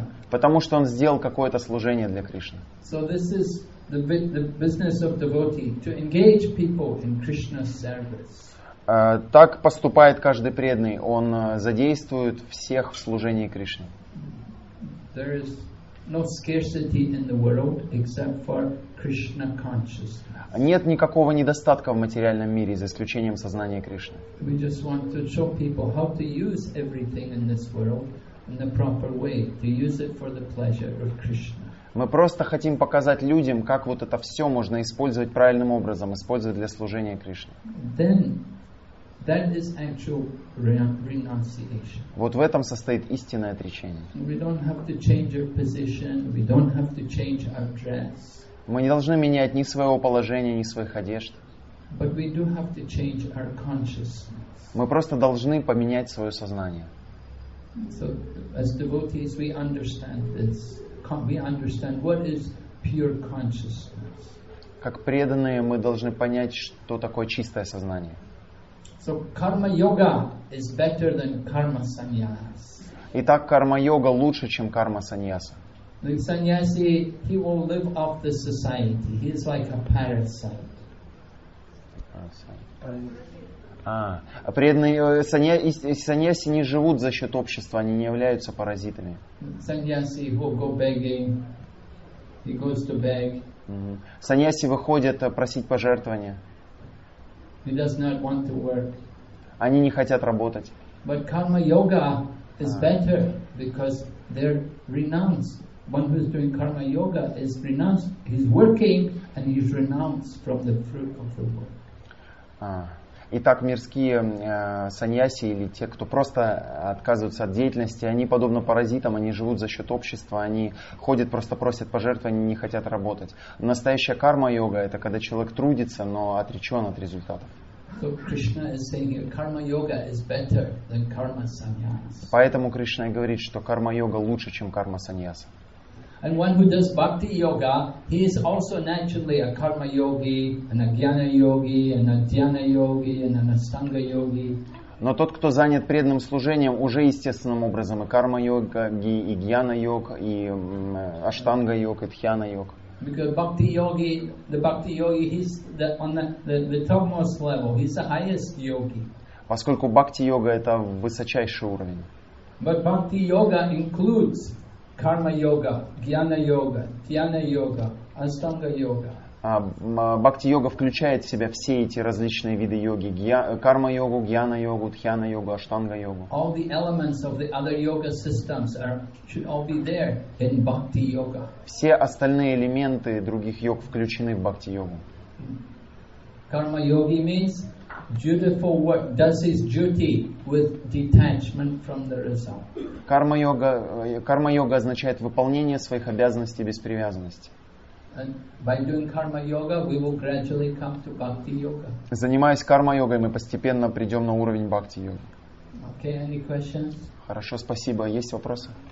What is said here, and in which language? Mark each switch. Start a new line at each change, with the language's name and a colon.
Russian: Потому что он сделал какое-то служение для Кришны.
English: The business of devotee, to engage people in Krishna's service.
Russian: Так поступает каждый преданный. Он задействует всех в служении Кришне.
English: There is no scarcity in the world except for Krishna consciousness.
Russian: Нет никакого недостатка в материальном мире, за исключением сознания Кришны.
English: We just want to show people how to use everything in this world in the proper way, to use it for the pleasure of Krishna.
Russian: Мы просто хотим показать людям, как вот это все можно использовать правильным образом, использовать для служения Кришне.
English: That is actual renunciation.
Russian: Вот в этом состоит истинное отречение.
English: We don't have to change our position, we don't have to change our dress.
Russian: Мы не должны менять ни своего положения, ни своих одежд.
English: But we do have to change our consciousness.
Russian: Мы просто должны поменять свое сознание.
English: So, as devotees, we understand this. We understand what is pure consciousness.
Russian: Как преданные, мы должны понять, что такое чистое сознание.
English: So karma yoga is better than karma sannyas.
Russian: Итак, карма йога лучше, чем карма саньяса.
English: The sannyasi, he will live off the society. He is like a parasite.
Russian: А преданные саньяси не живут за счет общества, они не являются паразитами.
English: Саньяси will go begging. He goes to beg.
Russian: Саньяси выходят просить пожертвования.
English: He does not want to work.
Russian: Они не хотят работать.
English: But karma yoga is better because they're renounced. One who is doing karma yoga is renounced. He's working and he's renounced from the fruit of the work.
Russian: Итак, мирские саньяси или те, кто просто отказываются от деятельности, они подобно паразитам, они живут за счет общества, они ходят, просто просят пожертвования, не хотят работать. Настоящая карма-йога – это когда человек трудится, но отречен от результатов.
English: So Krishna is saying here, karma-yoga is better than karma-sanyas.
Russian: Поэтому Кришна и говорит, что карма-йога лучше, чем карма-саньяса.
English: And one who does bhakti yoga, he is also naturally a karma yogi, and a jnana yogi, and a dhyana yogi, and an astanga yogi.
Russian: Но тот, кто занят преданным служением, уже естественным образом и карма йоги, и джьяна йог, и аштанга йог, и дхьяна йог.
English: Because bhakti yogi, the bhakti yogi, he's on the topmost level. He's the highest yogi.
Russian: Поскольку бхакти йога это высочайший уровень.
English: But bhakti yoga includes karma yoga, jnana yoga, dhyana yoga, astanga yoga.
Russian: Бхакти йога включает в себя все эти различные виды йоги: карма йогу, джьяна йогу, дхьяна йогу, аштанга йогу.
English: All the elements of the other yoga systems should all be there in bhakti yoga.
Russian: Все остальные элементы других йог включены в бхакти йогу.
English: Karma yogi means dutiful work, does his duty with detachment from the result.
Russian: Карма-йога означает выполнение своих обязанностей без привязанности.
English: And by doing karma-yoga, we will gradually come to bhakti-yoga.
Russian: Занимаясь карма-йогой, мы постепенно придем на уровень бхакти-йоги.
English: Okay, any questions?
Russian: Хорошо, спасибо. Есть вопросы?